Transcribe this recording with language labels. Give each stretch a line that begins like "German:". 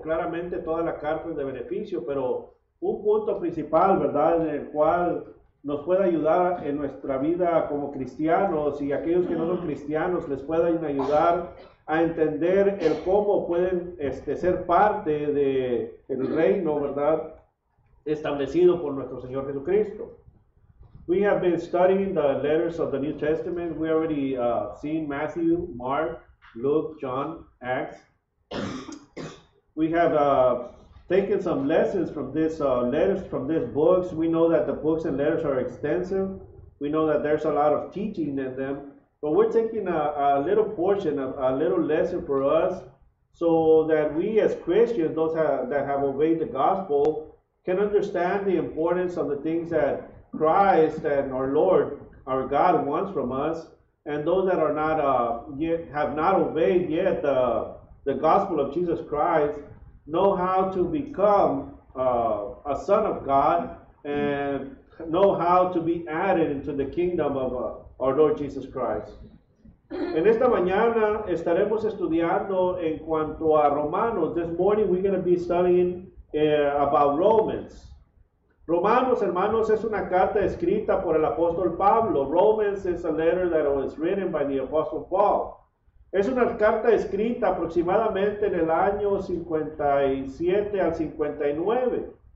Spanish: Claramente toda la carta es de beneficio, pero un punto principal, ¿verdad?, en el cual nos puede ayudar en nuestra vida como cristianos y aquellos que no son cristianos les pueden ayudar a entender el cómo pueden ser parte del reino, ¿verdad?, establecido por nuestro Señor Jesucristo.
English: We have been studying the letters of the New Testament. We already seen Matthew, Mark, Luke, John, Acts. We have taken some lessons from this letters, from these books. We know that the books and letters are extensive. We know that there's a lot of teaching in them. But we're taking a little portion, a little lesson for us, so that we as Christians, those that have obeyed the gospel, can understand the importance of the things that Christ and our Lord, our God, wants from us. And those that are not yet have not obeyed yet the gospel of Jesus Christ know how to become a son of God and know how to be added into the kingdom of our Lord Jesus Christ.
Spanish: En esta mañana estaremos estudiando en cuanto a Romanos.
English: This morning we're going to be studying about Romans.
Spanish: Romanos, hermanos, es una carta escrita por el apóstol Pablo.
English: Romans is a letter that was written by the apostle Paul.
Spanish: Es una carta escrita aproximadamente en el año 57 al 59.